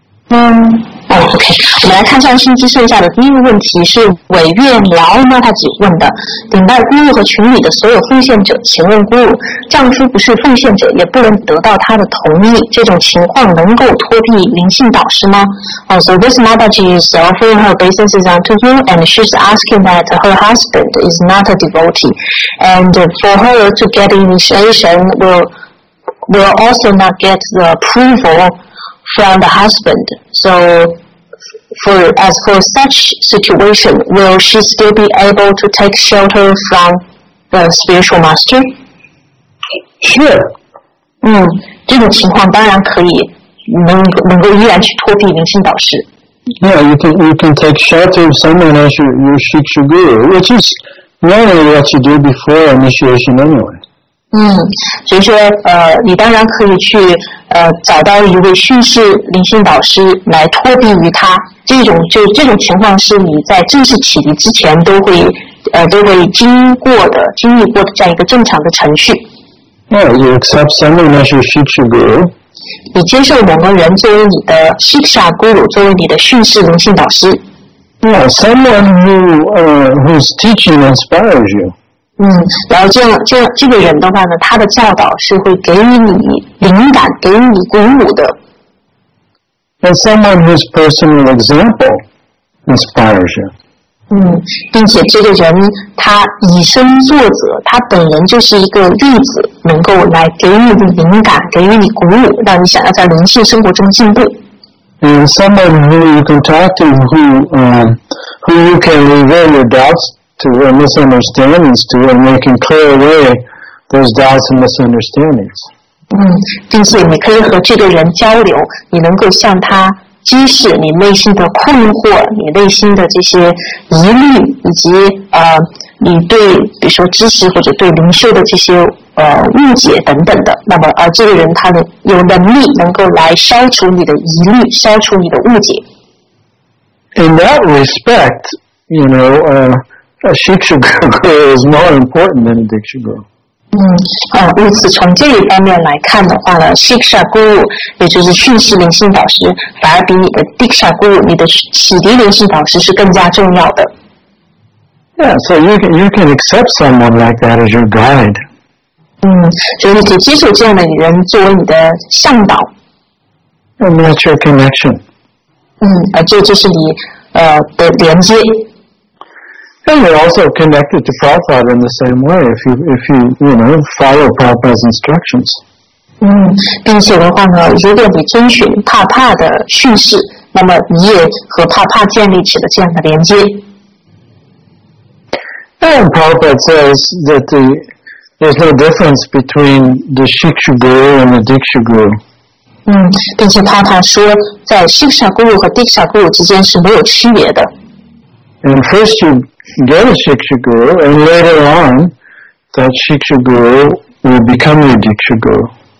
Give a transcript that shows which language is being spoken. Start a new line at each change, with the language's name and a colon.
Chinese: OK， 我们来看上星期剩下的第一个问题是韦月劳妈他姐问的，顶戴姑姑和群里的所有奉献者，请问姑姑，丈夫不是奉献者，也不能得到他的同意，这种情况能够脱避灵性导师吗？
English: So this mother is offering her obeisances unto you, and she's asking that her husband is not a devotee, and for her to get initiation will also not get the approval from the husband. So. As for such situation, will she still be able to take shelter from the spiritual master? Sure.
Chinese: 这种情况当然可以，能够依然去脱离灵性导师。
English: Yeah, you can take shelter of someone as your shiksha guru, which is normally what you do before initiation anyway.
Chinese: 所以说你当然可以去找到一位训示灵性导师来托庇于他，这种情况是你在正式启迪之前都会经历过的这样一个正常的程序。
English: You accept someone as your shiksha guru.
Chinese: 你接受某个人作为你的 shiksha guru, 作为你的训示灵性导师。
English: Yeah, someone who's teaching inspires you.
Chinese: 然后这个人的话呢，他的教导是会给予你灵感，给予你鼓舞的。
English: And someone whose personal example inspires you.
Chinese: 并且这个人他以身作则，他本人就是一个例子，能够来给予你灵感，给予你鼓舞，让你想要在灵性生活中进步。
English: And someone who you can talk to, who you can reveal your doubts to or misunderstandings to, and they can clear away those doubts and misunderstandings.
Chinese: 并且你可以和这个人交流，你能够向他揭示你内心的困惑，你内心的这些疑虑，以及你对比如说知识或者对灵修的这些误解等等的，那么这个人他有能力能够来消除你的疑虑，消除你的误解。
English: In that respect, you know, a shiksha guru is more important than a diksha guru.
Chinese: 如此从这一方面来看的话呢 ，shiksha guru 也就是训示灵性导师，反而比你的 diksha guru 你的启迪灵性导师是更加重要的。
English: Yeah, so you can accept someone like that as your guide.
Chinese: 就是你可以接受这样的人作为你的向导。
English: And that's your connection.
Chinese: 这就是你的连接。
English: And you're also connected to Prabhupada in the same way if you follow Prabhupada's instructions.
Chinese: 并且的话呢，如果你遵循帕帕的训示，那么你也和帕帕建立起了这样的连接。
English: And Prabhupada says that there's no difference between the Shiksha Guru and the Diksha Guru.
Chinese: 并且他说在 Shiksha Guru 和 Diksha Guru 之间是没有区别的。
English: And first you get a Shiksha Guru, and later on, that Shiksha Guru will become your Diksha Guru.